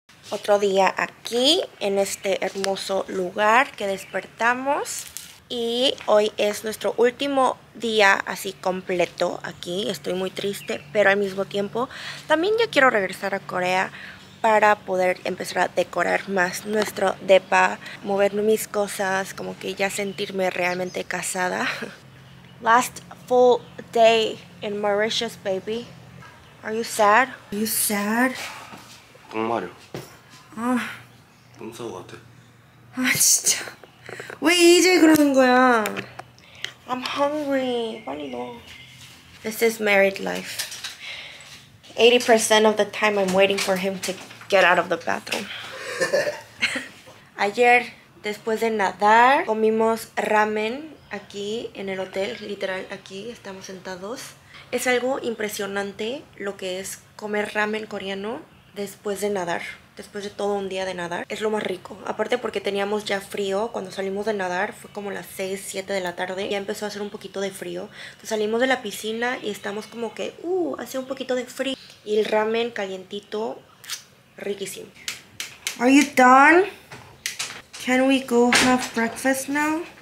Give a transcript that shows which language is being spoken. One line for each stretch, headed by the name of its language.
Spanish: Otro día aquí en este hermoso lugar que despertamos, y hoy es nuestro último día así completo aquí. Estoy muy triste, pero al mismo tiempo también ya quiero regresar a Corea para poder empezar a decorar más nuestro depa, mover mis cosas, como que ya sentirme realmente casada.
English: Last full day in Mauritius, baby. Are you sad? Are you sad?
Korean: 정말요. 아. 너무 싸울 것 같아. 아, 진짜. 왜 이제 그러는 거야?
English: I'm hungry.
Korean: 빨리 넣어.
English: This is married life. 80% of the time I'm waiting for him to get out of the bathroom.
Spanish: Ayer, después de nadar, comimos ramen aquí en el hotel. Literal, aquí estamos sentados. Es algo impresionante lo que es comer ramen coreano después de nadar. Después de todo un día de nadar. Es lo más rico. Aparte porque teníamos ya frío cuando salimos de nadar. Fue como las 6, 7 de la tarde. Ya empezó a hacer un poquito de frío. Entonces salimos de la piscina y estamos como que, hace un poquito de frío. Y el ramen calientito, riquísimo. ¿Estás listo?
English: Can we go have breakfast now?